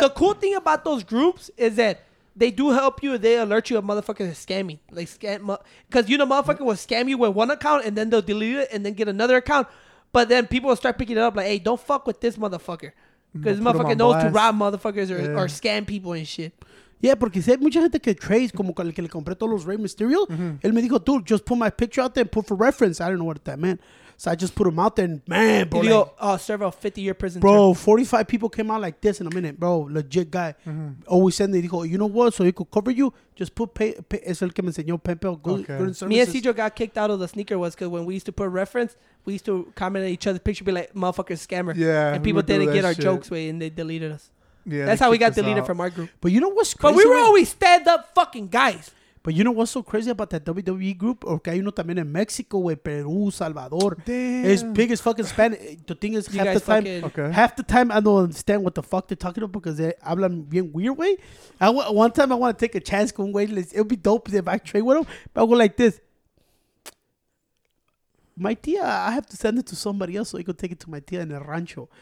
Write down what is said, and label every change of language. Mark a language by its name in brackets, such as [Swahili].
[English] The cool thing about those groups is that they do help you. They alert you if motherfuckers are scamming. Like scam, because you know motherfucker will scam you with one account and then they'll delete it and then get another account. But then people will start picking it up like, hey, don't fuck with this motherfucker. Because this motherfucker knows to rob motherfuckers or scam people and shit. [Spanish] Yeah, porque sé mucha gente que trades como el que le compré todos los Rey Mysterio. [English] Mm-hmm. [Spanish] Él me dijo, [English] dude, just put my picture out there and put for reference. I don't know what that meant. So I just put him out there and man, bro. Did he serve a 50-year prison bro, term? Bro, 45 people came out like this in a minute. Bro, legit guy. Mm-hmm. Always sending. He dijo, you know what? So he could cover you, just put pay. [Spanish] Es el que me enseñó Pepe. [English] Me and Cedro got kicked out of the sneaker was because when we used to put reference, we used to comment on each other's picture, be like, motherfucker, scammer. Yeah. And people didn't get our jokes, way, and they deleted us. Yeah, that's how we got deleted out from our group. But you know what's crazy? But we were always stand up fucking guys. But you know what's so crazy about that WWE group? [Spanish] Porque hay uno también en Mexico, güey, Peru, Salvador. [English] Damn. It's big as fucking Spanish. The thing is, half the time, okay, half the time I don't understand what the fuck they're talking about because they [Spanish] hablan bien [English] weird, güey. One time I want to take a chance con güey. It would be dope if I trade with them. But I go like this. My tia, I have to send it to somebody else so he could take it to my tia in the rancho.